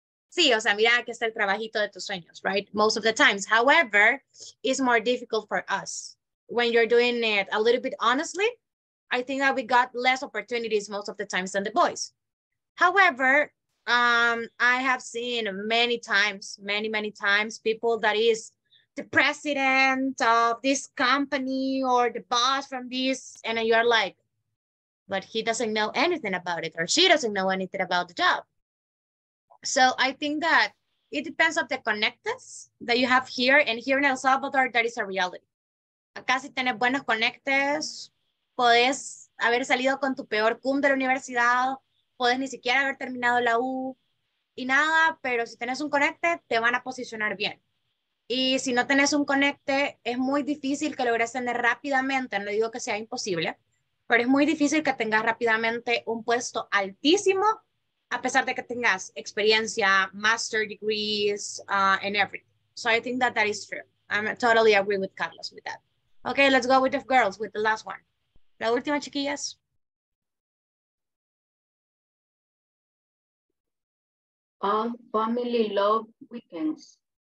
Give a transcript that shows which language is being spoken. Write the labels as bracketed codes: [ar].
[es] Sí, o sea, mira, que es el trabajito de tus sueños, [en] right? Most of the times. However, it's more difficult for us. When you're doing it a little bit honestly, I think that we got less opportunities most of the times than the boys. However, I have seen many times, many times, people that is the president of this company or the boss from this, and then you're like, but he doesn't know anything about it, or she doesn't know anything about the job. So I think that it depends on the connectors that you have here, and here in El Salvador, that is a reality. [es] Acá si tienes buenos conectes, puedes haber salido con tu peor cum de la universidad, puedes ni siquiera haber terminado la U y nada, pero si tienes un conecte, te van a posicionar bien. Y si no tienes un conecte, es muy difícil que logres tener rápidamente, no digo que sea imposible, pero es muy difícil que tengas rápidamente un puesto altísimo, a pesar de que tengas experiencia, [en] master degrees, and everything. So I think that that is true. I'm totally agree with Carlos with that. Okay, let's go with the girls, with the last one. [es] La última, chiquillas. [en] Family love weekends.